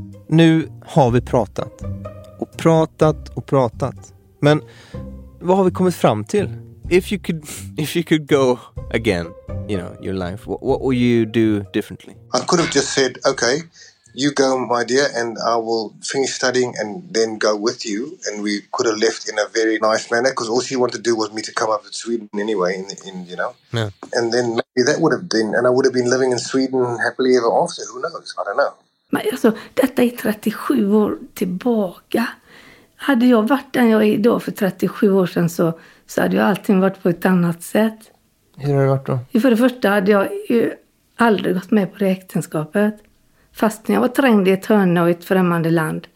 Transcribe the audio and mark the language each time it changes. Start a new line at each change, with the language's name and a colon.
Swedish: Nu har vi pratat. Pratat och pratat. Men vad har vi kommit fram till?
English: If you could go again, you know, your life, what would you do differently? I could have just said, okay, you go, my dear, and I will finish studying and then go with you. And we could have left in a very nice manner, because all she wanted to do was me to come up to Sweden anyway, in you know. Yeah. And then maybe that would have been, and I would have been living in Sweden happily ever after. Who knows? I don't know.
Swedish: Men alltså, detta är 37 år tillbaka. Hade jag varit den jag är idag för 37 år sedan, så hade ju allting varit på ett annat sätt. Hur har det varit då? För det första hade jag ju aldrig gått med på det äktenskapet. Fast när jag var trängd i ett hörn och ett främmande land.